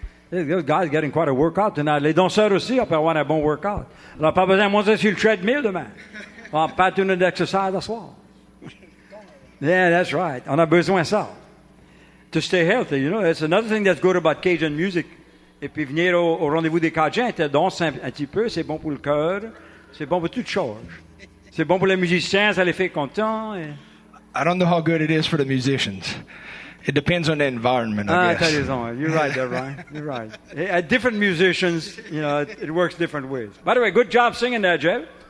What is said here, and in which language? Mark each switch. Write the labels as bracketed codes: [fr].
[en] Those guys are getting quite a workout tonight. [fr] Les danseurs aussi ont pas avoir un bon workout. Alors, pas besoin de monter sur le treadmill demain. On va faire une exercise à soir. [en] Yeah, that's right. [fr] On a besoin de ça. [en] To stay healthy, you know, that's another thing that's good about Cajun music. [fr] Et puis venir au rendez-vous des Cajuns, te danser un petit peu, c'est bon pour le cœur, c'est bon pour toute chose. C'est bon pour les musiciens, ça les fait contents. Et... [en] I don't know how good it is for the musicians. It depends on the environment, I guess. [fr] Ah, t'as raison. [en] You're right, there, Ryan. You're right. At different musicians, you know, it works different ways. By the way, good job singing there, Jeb.